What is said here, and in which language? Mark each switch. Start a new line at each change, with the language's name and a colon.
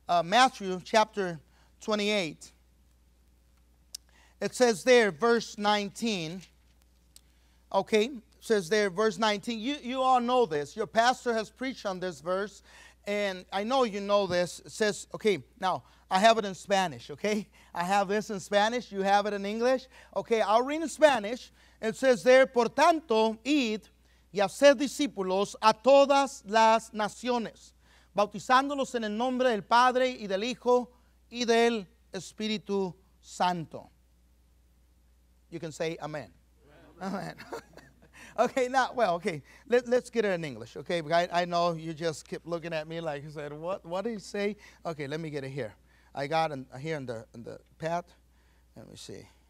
English: Matthew chapter 28. It says there, verse 19. Okay, it says there, verse 19. You all know this. Your pastor has preached on this verse. And I know you know this. It says, okay, now, I have it in Spanish, okay? I have this in Spanish. You have it in English. Okay, I'll read in Spanish.
Spanish: It says there, por tanto, id y haced discípulos a todas las naciones, bautizándolos en el nombre del Padre y del Hijo y del Espíritu Santo.
English: You can say amen. Amen. Amen. Okay, now, well, okay, let's get it in English, okay? I know you just keep looking at me like you said, what did he say? Okay, let me get it here. I got it here in the pad. Let me see.